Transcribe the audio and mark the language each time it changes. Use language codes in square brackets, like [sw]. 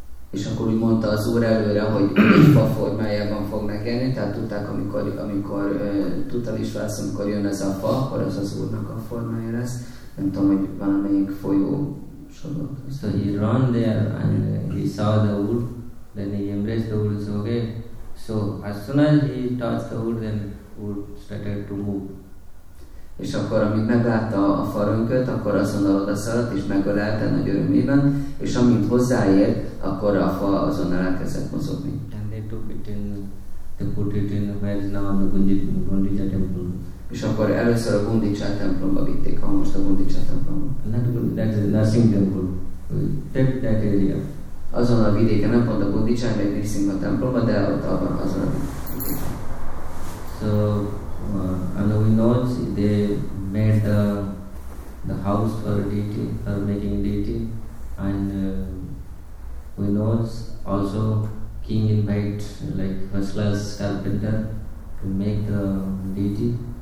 [hu] És akkor úgy mondta az Úr előre, hogy Vishva formájában fog megjelni, tehát tudták, amikor jön ez a fa, akkor ez az Úrnak a formája lesz. Nem tudom, hogy valamelyik folyó sodott. [en] So he ran there and he saw the wood, then he embraced the wood, so okay. So as soon as he touched the wood, then wood started to move. [hu] És akkor, amit meglátta a farönköt, akkor azonnal odaszaladt, és megölelte nagy örömében, és amint hozzáért, akkor a fa azonnal elkezdett mozogni. [en] And they put it in where is now the Gundicha temple. [hu] És akkor először a Gundicha templomba vitték, ha most a Gundicha templomba. [en] That's the Narsingh temple. Take that area. [hu] Azon a vidéken, nem pont a Gundicha, de egy Narsingh templomba, de ott abban azon a vidéken. [en] So, and we know they made the house for deity, for making deity, and we know also king invite like first class carpenter to make the deity.